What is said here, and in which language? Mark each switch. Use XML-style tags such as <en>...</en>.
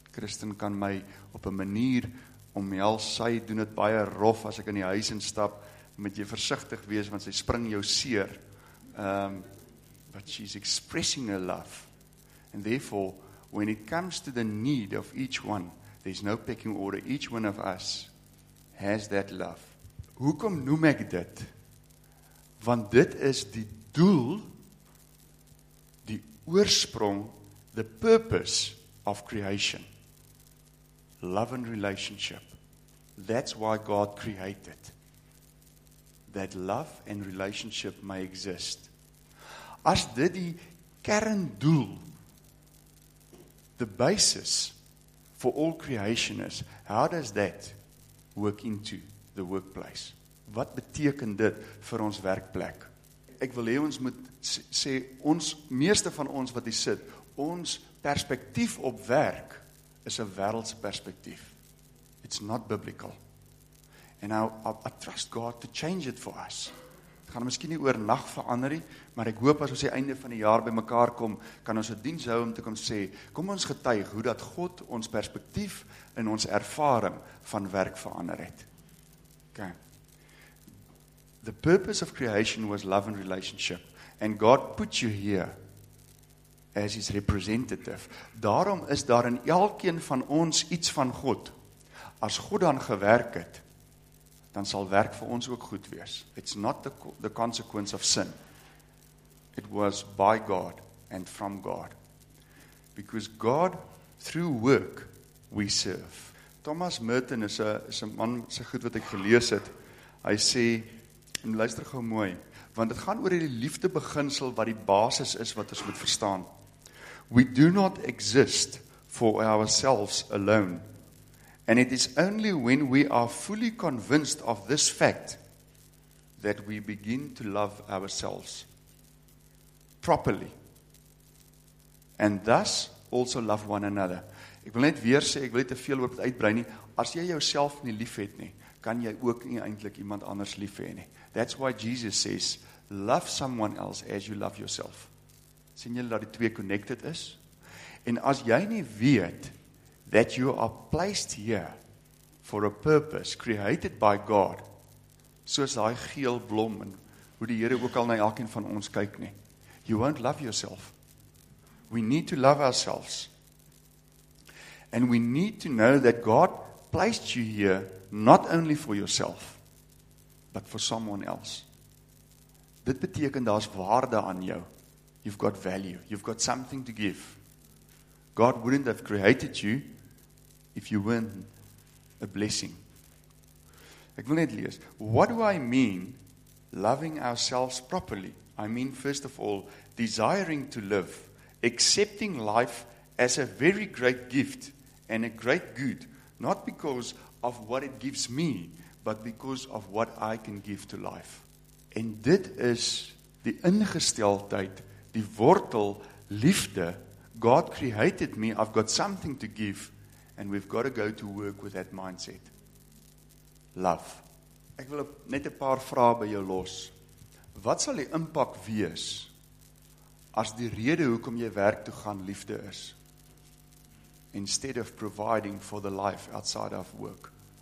<af>Christen kan my op 'n manier omhels, sy doen het baie rof as ek in die huis instap, moet jy versigtig wees, want sy spring jou seer.</af> <en>But she's expressing her love. And therefore, when it comes to the need of each one, there's no pecking order. Each one of us has that love.</en> <af>Hoekom noem ek dit? Want dit is die doel, die oorsprong,</af> <en>the purpose of creation. Love and relationship. That's why God created. That love and relationship may exist.</en> <af>As dit die kerndoel,</af> <en>the basis for all creation is, how does that work into the workplace?</en> <af>Wat beteken dit vir ons werkplek? Ek wil hê ons moet sê, ons meeste van ons wat hier sit, ons perspektief op werk is 'n wêreldse perspektief.</af> <en>It's not biblical. And I trust God to change it for us.</en> <af>Het gaan miskien nie oor nacht verander nie, maar ek hoop as ons die einde van die jaar by mekaar kom, kan ons 'n diens hou om te kom sê, kom ons getuig hoe dat God ons perspektief en ons ervaring van werk verander het. Okay.</af> <en>The purpose of creation was love and relationship. And God put you here as his representative.</en> <af>Daarom is daar in elkeen van ons iets van God. As God dan gewerk het, dan sal werk vir ons ook goed wees.</af> <en>It's not the consequence of sin. It was by God and from God. Because God, through work, we serve.</en> <af>Thomas Merton is een man, sy goed wat ek gelees het, hy sê, en luister gou mooi, want het gaan oor die liefdebeginsel wat die basis is wat ons moet verstaan.</af> <en>We do not exist for ourselves alone. And it is only when we are fully convinced of this fact that we begin to love ourselves properly. And thus also love one another.</en> <af>Ek wil net weer sê, ek wil nie te veel op het uitbrei nie, as jy jouself nie lief het nie, kan jy ook nie eintlik iemand anders lief hê nie.</af> <en>That's why Jesus says, love someone else as you love yourself.</en> <af>Sien jy dat die twee connected is? En as jy nie weet,</af> <en>that you are placed here for a purpose created by God,</en> <af>soos daai geel blom, en hoe die Here ook al na elkeen van ons kyk nie,</af> <en>you won't love yourself. We need to love ourselves. And we need to know that God placed you here not only for yourself, but for someone else. Dit beteken daar's waarde aan jou. You've got value. You've got something to give. God wouldn't have created you if you weren't a blessing.</en> <af>Ek wil net lees.</af> <en>What do I mean loving ourselves properly? I mean, first of all, desiring to live, accepting life as a very great gift and a great good, not because of what it gives me, but because of what I can give to life.</en> <af>En dit is die ingesteldheid, die wortel, liefde.</af> <en>God created me, I've got something to give, and we've got to go to work with that mindset.</en> <af>Love. Ek wil net 'n paar vrae by jou los. Wat sal die impak wees as die rede hoekom jy werk toe gaan liefde is?</af> <en>Instead of providing for the life outside of work.</en>